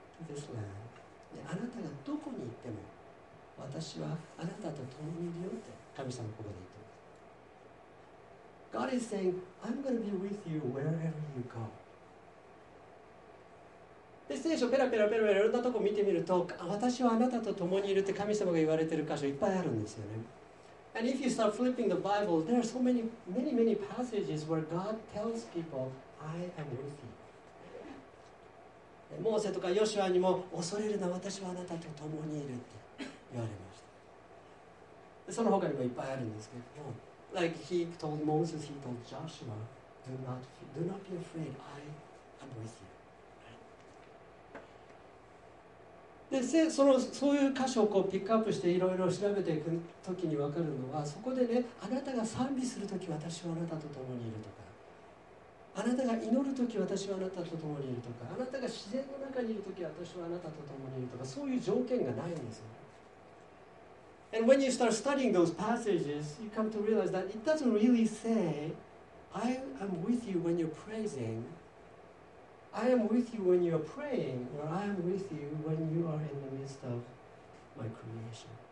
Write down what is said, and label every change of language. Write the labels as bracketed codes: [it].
[en] This land. [ja] であなたがどこに行っても私はあなたと共にいるよって神様ここで言ってます。 [en] God is saying I'm going to be with you wherever you go。 [ja] で聖書ペラペラペラペラいろんなとこ見てみると、私はあなたと共にいるって神様が言われてる箇所いっぱいあるんですよね。 [en] And if you start flipping the Bible there are so many many many passages where God tells people I am with you。 [ja] モーセとかヨシュアにも恐れるな、私はあなたと共にいるって言われました。その他にもいっぱいあるんですけど、 [en] Like he told Moses, he told Joshua, do not be afraid, I am with you. [ja] で、そういう箇所をこうピックアップしていろいろ調べていくときに分かるのは、そこでね、あなたが賛美するとき私はあなたと共にいるとか、あなたが祈るとき私はあなたと共にいるとか、あなたが自然の中にいるとき私はあなたと共にいるとか、そういう条件がないんですよ。 [en] And when you start studying those passages, you come to realize that it doesn't really say, I am with you when you're praising, I am with you when you're praying, or I am with you when you are in the midst of my creation.